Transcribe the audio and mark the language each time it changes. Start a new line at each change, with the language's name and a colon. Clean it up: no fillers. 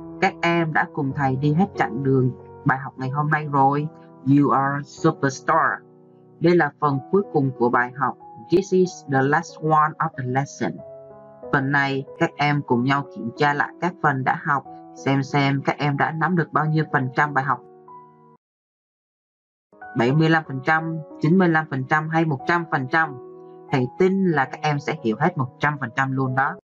Vietnamese: Các em đã cùng thầy đi hết chặng đường bài học ngày hôm nay rồi.
English: You are superstar.
Vietnamese: Đây là phần cuối cùng của bài học.
English: This is the last one of the lesson.
Vietnamese: Phần này các em cùng nhau kiểm tra lại các phần đã học, xem các em đã nắm được bao nhiêu phần trăm bài học. 75%, 95% hay 100%? Thầy tin là các em sẽ hiểu hết 100% luôn đó.